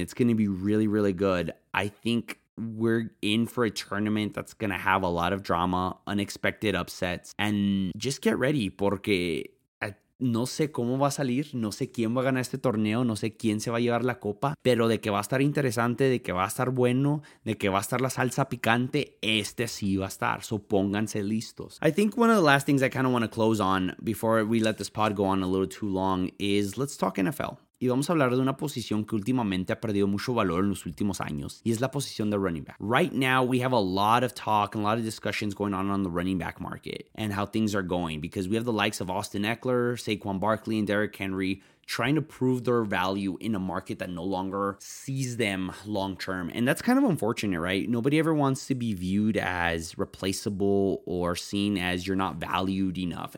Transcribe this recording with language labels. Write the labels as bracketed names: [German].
[English] It's going to be really, really good. I think we're in for a tournament that's going to have a lot of drama, unexpected upsets, and just get ready, [Spanish] porque no sé cómo va a salir, no sé quién va a ganar este torneo, no sé quién se va a llevar la copa, pero de que va a estar interesante, de que va a estar bueno, de que va a estar la salsa picante, este sí va a estar, so pónganse listos. [English] I think one of the last things I kind of want to close on before we let this pod go on a little too long is let's talk NFL. [Spanish] Y vamos a hablar de una posición que últimamente ha perdido mucho valor en los últimos años, y es la posición de running back. [English] Right now, we have a lot of talk and a lot of discussions going on the running back market and how things are going, because we have the likes of Austin Eckler, Saquon Barkley, and Derrick Henry trying to prove their value in a market that no longer sees them long term. And that's kind of unfortunate, right? Nobody ever wants to be viewed as replaceable or seen as you're not valued enough.